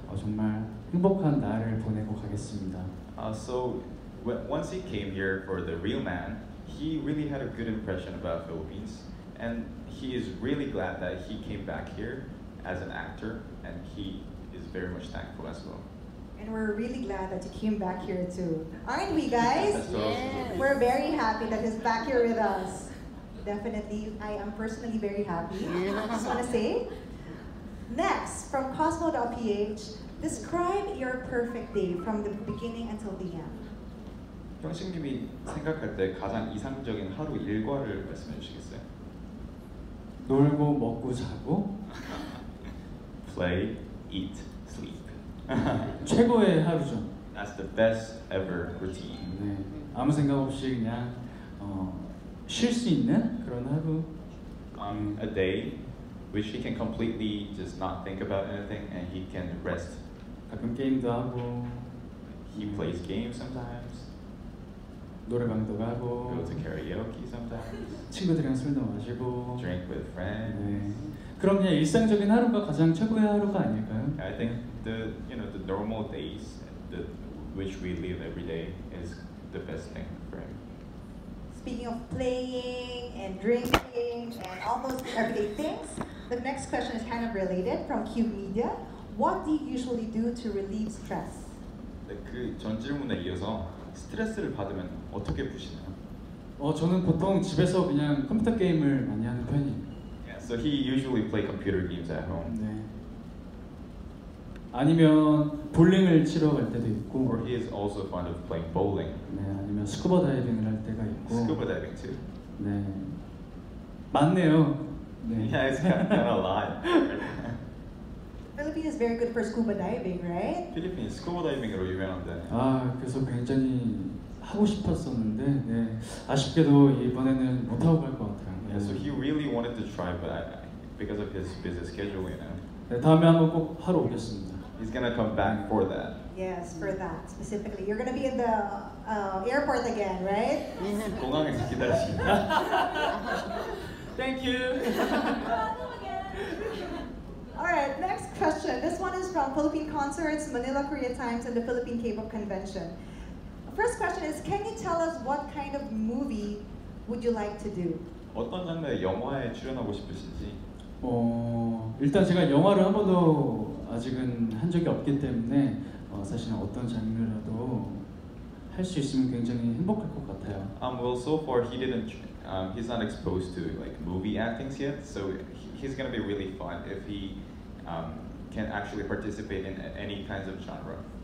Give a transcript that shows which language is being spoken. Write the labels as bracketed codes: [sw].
[ko] 정말 행복한 날을 보내고 가겠습니다. [en] So once he came here for the real man, he really had a good impression about Philippines. And he is really glad that he came back here as an actor, and he is very much thankful as well. And we're really glad that you came back here too. Aren't we, guys? Yes. We're very happy that he's back here with us. Definitely, I am personally very happy, I just want to say. Next, from Cosmo.ph, describe your perfect day from the beginning until the end. [ko] 형식님이 생각할 때 가장 이상적인 하루 일과를 말씀해 주시겠어요? 놀고 먹고 자고 [en] play eat sleep [ko] 최고의 하루죠. [en] That's the best ever routine. [ko] 네, 아무 생각 없이 그냥 쉴 수 있는 그런 하루. [en] A day which he can completely just not think about anything and he can rest. [ko] 가끔 게임도 하고 [en] he plays games sometimes. [ko] 노래방도 가고 [en] go to karaoke sometimes [ko] 친구들이랑 술도 마시고 [en] drink with friends 네. [ko] 그럼 그냥 일상적인 하루가 가장 최고의 하루가 아닐까요? [en] I think the you know the normal days the which we live every day is the best thing for him. Speaking of playing and drinking and all those everyday things, the next question is kind of related from Q Media. What do you usually do to relieve stress? [ko] 네, 그 전 질문에 이어서 스트레스를 받으면 어떻게 푸시나요? 저는 보통 집에서 그냥 컴퓨터 게임을 많이 하는 편이에요. [en] Yeah, so he usually play computer games at home. [ko] 네. 아니면 볼링을 치러 갈 때도 있고 [en] or he is also fond of playing bowling. [ko] 네, 아니면 스쿠버 다이빙을 할 때가 있고 [en] 스쿠버 다이빙 too? [ko] 네. 맞네요. 네. [en] Yeah, it's kind of a lot. Philippines is very good for scuba diving, right? [ko] Philippines, scuba diving으로 유명한데 아, 그래서 굉장히 하고 싶었었는데 네. 아쉽게도 이번에는 못하고 갈 것 같아요. [en] Yeah, so he really wanted to try, but because of his busy schedule, you know. [ko] 네, 다음에 한번 꼭 하러 오겠습니다. [en] He's gonna come back for that. Yes, for that, specifically. You're gonna be in the airport again, right? [ko] 공항에서 기다리십니다. [en] Thank you! Alright, next question. This one is from Philippine Concerts, Manila Korea Times, and the Philippine Cable Convention. First question is, can you tell us what kind of movie would you like to do? [ko] 어떤 장르의 영화에 출연하고 싶으신지? 일단 제가 영화를 한 번도 아직은 한 적이 없기 때문에 사실은 어떤 장르라도 할 수 있으면 굉장히 행복할 것 같아요. [en] Well, so far he didn't, he's not exposed to like movie actings yet, so he's gonna be really fun if he can actually participate in any kinds of genre.